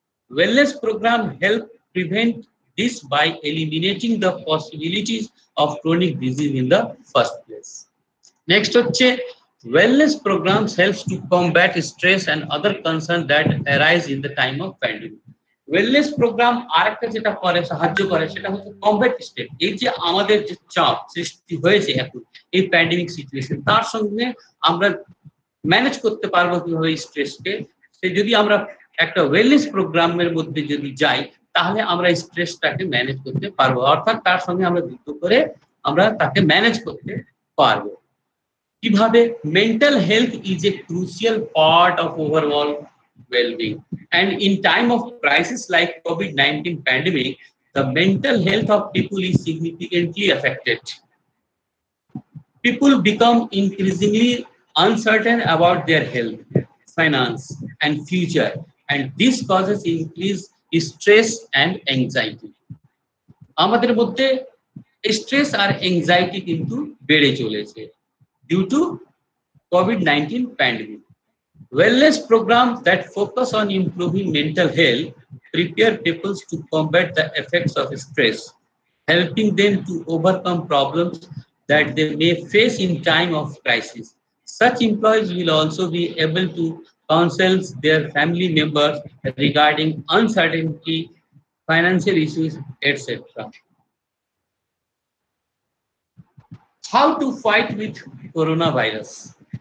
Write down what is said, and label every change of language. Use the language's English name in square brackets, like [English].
[English] Wellness program help prevent this by eliminating the possibilities of chronic disease in the first place. Next hocche wellness programs helps to combat stress and other concerns that arise in the time of pandemic. [Bangla] Wellness programme আরেকটা যেটা করে সাহায্য করে সেটা হচ্ছে combat stress, এই যে আমাদের যে চাপ সৃষ্টি হয়েছে এখন এই প্যান্ডেমিক সিচুয়েশন, তার সঙ্গে আমরা ম্যানেজ করতে পারবো কিভাবে স্ট্রেসকে, সে যদি আমরা একটা ওয়েলনেস প্রোগ্রামের মধ্যে যদি যাই তাহলে আমরা স্ট্রেসটাকে ম্যানেজ করতে পারবো, অর্থাৎ তার সঙ্গে আমরা যুক্ত করে আমরা তাকে ম্যানেজ করতে পারবো. [English] কিভাবে mental health is a crucial part of overall well-being, and in time of crisis like COVID-19 pandemic, the mental health of people is significantly affected. People become increasingly uncertain about their health, finance, and future, and this causes increased stress and anxiety. [Bangla] আমাদের মধ্যে stress আর anxiety কিন্তু বেড়ে চলেছে [English] Due to COVID nineteen pandemic wellness programme that focus on improving mental health prepare peoples to combat the effects of stress helping them to overcome problems that they may face in time of crisis such employees will also be able to counsel their family members regarding uncertainty, financial issues, etc. How to fight with coronavirus?